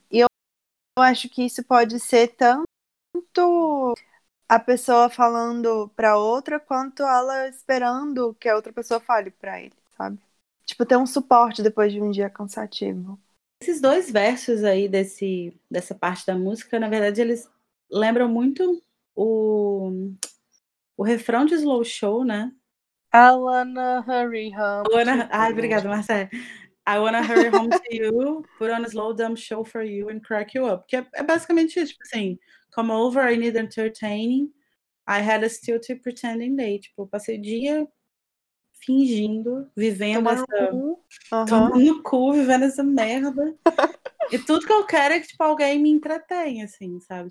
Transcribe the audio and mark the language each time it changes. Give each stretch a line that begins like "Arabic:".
Portuguese: E eu acho que isso pode ser tanto a pessoa falando pra outra, quanto ela esperando que a outra pessoa fale pra ele, sabe? Tipo, ter um suporte depois de um dia cansativo. Esses dois versos aí dessa parte da música, na verdade, eles lembram muito o refrão de Slow Show, né?
English: I wanna hurry home.
Portuguese: Obrigada, Marcelo.
English: I wanna hurry home to you, put on a slow dumb show for you and crack you up.
Portuguese: Que é basicamente isso, tipo assim,
English: come over, I need entertaining. I had a still to pretending day.
Portuguese: Tipo, passei o dia fingindo, vivendo tomando no cu, vivendo essa merda. E tudo que eu quero é que, tipo, alguém me entretenha, assim, sabe?